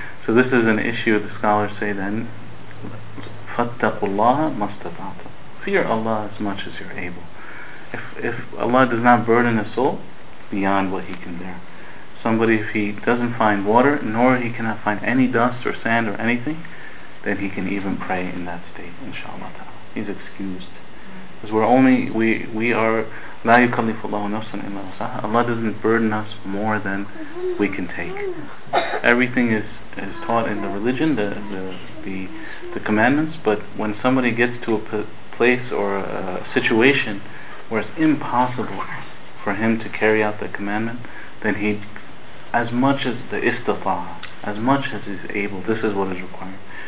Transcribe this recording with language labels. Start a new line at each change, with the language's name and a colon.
English: So this is an issue, the scholars say then,
Arabic: فَاتَّقُوا اللَّهَ.
English: Fear Allah as much as you're able. If Allah does not burden a soul, beyond what he can bear. Somebody, if he doesn't find water, nor he cannot find any dust or sand or anything, then he can even pray in that state, inshallah. He's excused. Because we are,
Arabic: لا يكلف الله نفسا إلا وسعها.
English: Allah doesn't burden us more than we can take. Everything is taught in the religion, the commandments, but when somebody gets to a place or a situation where it's impossible for him to carry out the commandment, then he, as much as the istifa, as much as he's able, this is what is required.